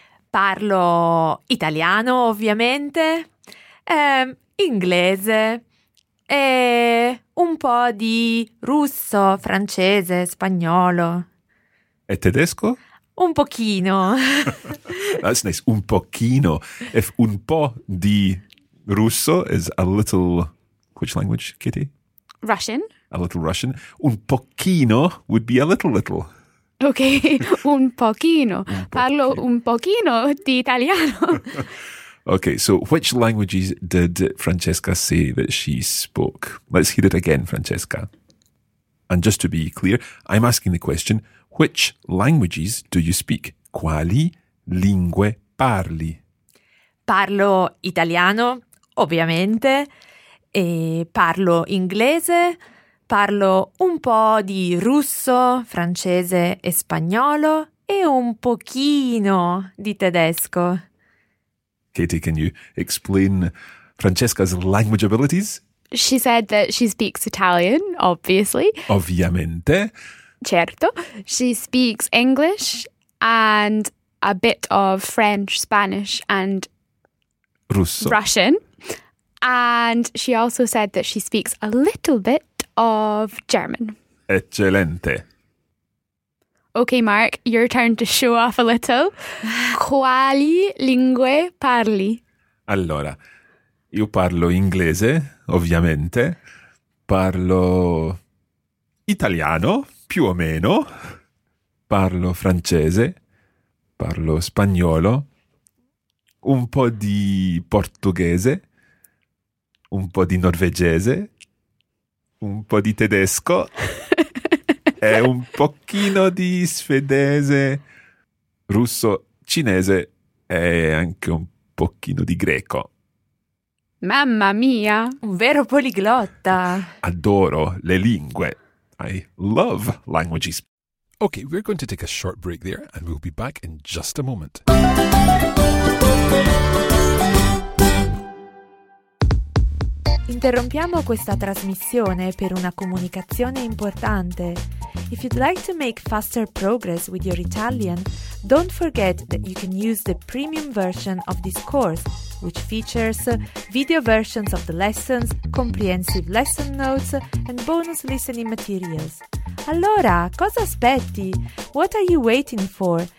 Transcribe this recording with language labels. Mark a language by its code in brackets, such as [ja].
[it] Parlo italiano, ovviamente, inglese e un po' di russo, francese, spagnolo. E tedesco? Un pochino. [en] That's nice. [it] Un pochino. [en] If [it] un po' di russo [en] is a little... Which language, Kitty? Russian. A little Russian. [it] Un pochino [en] would be a little little. Okay. [it] Un pochino. Parlo un pochino di italiano. [en] Okay. So which languages did Francesca say that she spoke? Let's hear it again, Francesca. And just to be clear, I'm asking the question... Which languages do you speak? [it] Quali lingue parli? Parlo italiano, ovviamente, e parlo inglese, parlo un po' di russo, francese e spagnolo e un pochino di tedesco. [en] Katie, can you explain Francesca's language abilities? She said that she speaks Italian, obviously. [it] Ovviamente. Certo. [en] She speaks English and a bit of French, Spanish and [it] Russo. [en] Russian. And she also said that she speaks a little bit of German. [it] Eccellente. [en] Okay, Mark, your turn to show off a little. [it] Quali lingue parli? Allora, io parlo inglese, ovviamente. Parlo italiano, più o meno. Parlo francese. Parlo spagnolo. Un po' di portoghese. Un po' di norvegese. Un po' di tedesco. E un pochino di svedese, russo, cinese e anche un pochino di greco. Mamma mia, un vero poliglotta. Adoro le lingue. [en] I love languages. Okay, we're going to take a short break there and we'll be back in just a moment. [it] Interrompiamo questa trasmissione per una comunicazione importante. [en] If you'd like to make faster progress with your Italian, don't forget that you can use the premium version of this course, which features video versions of the lessons, comprehensive lesson notes, and bonus listening materials. [it] Allora, cosa aspetti? [en] What are you waiting for?